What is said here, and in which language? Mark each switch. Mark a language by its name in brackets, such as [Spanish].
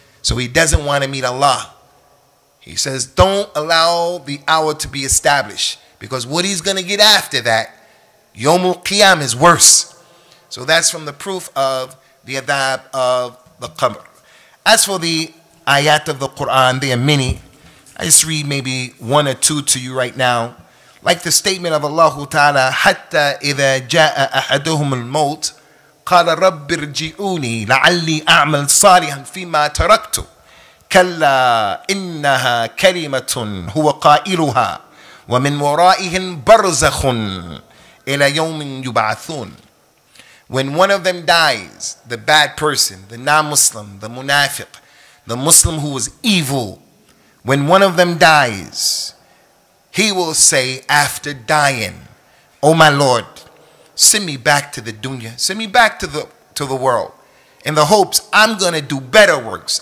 [English] So he doesn't want to meet Allah. He says, don't allow the hour to be established because what he's going to get after that, Yawm al-Qiyamah is worse. So that's from the proof of the adab of the qabr. As for the ayat of the Quran, there are many. I just read maybe one or two to you right now. Like the statement of Allah Ta'ala, [Arabic] حَتَّى إِذَا جَاءَ أَحَدُهُمُ الْمَوْتِ قَالَ رَبِّ ارْجِعُونِي لَعَلِّي أَعْمَلْ صَالِحًا فِي مَا تَرَكْتُ كَلَّا إِنَّهَا كَلِمَةٌ هُوَ قَائِلُهَا وَمِنْ وَرَائِهِمْ بَرْزَخٌ إِلَى يَوْمٍ يُبْعَثُونَ. [English] When one of them dies, the bad person, the non-Muslim, the munafiq, the Muslim who was evil, when one of them dies, he will say after dying, oh my Lord, send me back to the dunya, send me back to the world, in the hopes I'm going to do better works.